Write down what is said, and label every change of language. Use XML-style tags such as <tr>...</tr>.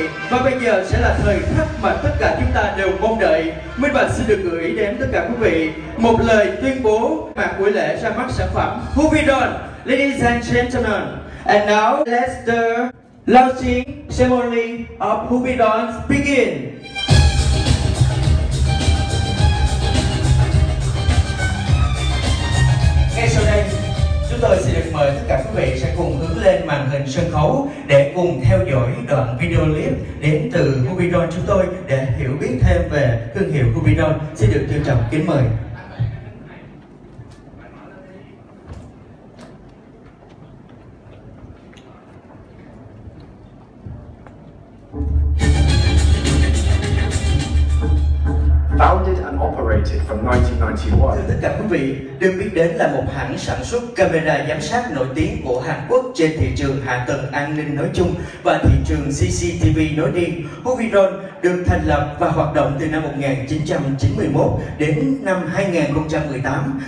<vi>Và bây giờ sẽ là thời khắc mà tất cả chúng ta đều mong đợi. Minh Bạch xin được gửi đến tất cả quý vị một lời tuyên bố mặt buổi lễ ra mắt sản phẩm Rubidon.</vi> <en>Ladies and gentlemen, and now let's the launching ceremony of Rubidon begin.</en> <vi>Ngay sau đây, chúng tôi sẽ được mời tất cả quý vị sẽ cùng hướng lên màn hình sân khấu để cùng theo dõi đoạn video clip đến từ Rubidon chúng tôi để hiểu biết thêm về thương hiệu Rubidon. Xin được trân trọng kính mời.</vi> <en>Founded and operated from 1991.</en> <vi>Thưa tất cả quý vị, được biết đến là một hãng sản xuất camera giám sát nổi tiếng của Hàn Quốc trên thị trường hạ tầng an ninh nói chung và thị trường CCTV nói riêng. Rubidon được thành lập và hoạt động từ năm 1991 đến năm 2018.</vi>